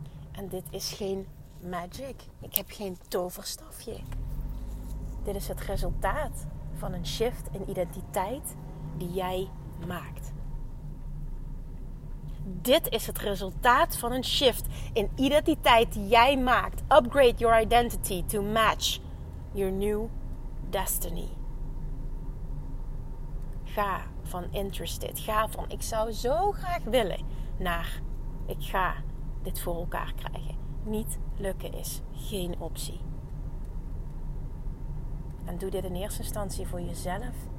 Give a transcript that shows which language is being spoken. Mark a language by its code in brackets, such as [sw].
[nl] En dit is geen magic. Ik heb geen toverstafje. Dit is het resultaat van een shift in identiteit die jij maakt. Dit is het resultaat van een shift in identiteit die jij maakt. [en] Upgrade your identity to match your new destiny. [nl] Ga van interested. Ga van ik zou zo graag willen. Naar ik ga dit voor elkaar krijgen. Niet lukken is geen optie. En doe dit in eerste instantie voor jezelf.